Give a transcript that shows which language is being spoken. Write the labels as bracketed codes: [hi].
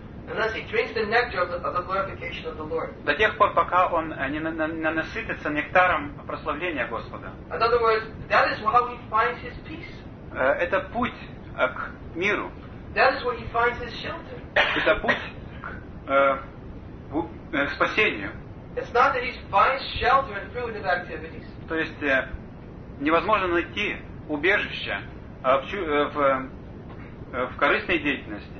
[en] Unless he drinks the nectar of the glorification of the Lord. [ru] До тех пор, пока он не насытится нектаром прославления Господа. [en] In other words, that is how he finds his peace. [ru] Это путь к миру. [en] That is where he finds his shelter. [ru] Это путь к спасению. [en] It's not that he finds shelter in fruitive activities. [ru] То есть невозможно найти убежище в корыстной деятельности.